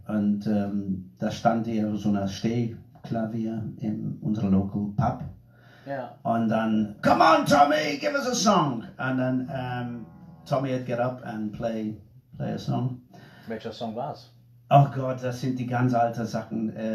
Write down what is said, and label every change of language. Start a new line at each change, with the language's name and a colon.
German: Und da stand hier so ein Stehklavier in unserer local Pub.
English: Yeah.
German: Und dann,
English: come on Tommy, give us a song.
German: Und dann
English: Tommy would get up and play a song.
German: Welcher Song war es? Oh Gott, das sind die ganz alten Sachen.